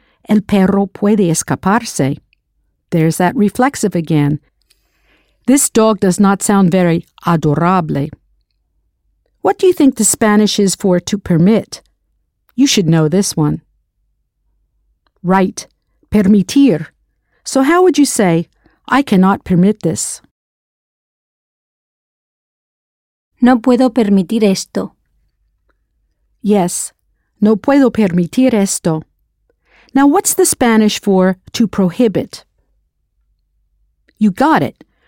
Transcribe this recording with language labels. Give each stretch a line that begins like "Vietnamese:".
Spanish: El perro puede escaparse.
English: There's that reflexive again. This dog does not sound very adorable. What do you think the Spanish is for to permit? You should know this one. Right, permitir. So how would you say, I cannot permit this?
Spanish: No puedo permitir esto. Yes, no puedo permitir esto.
English: Now, what's the Spanish for to prohibit? You got it.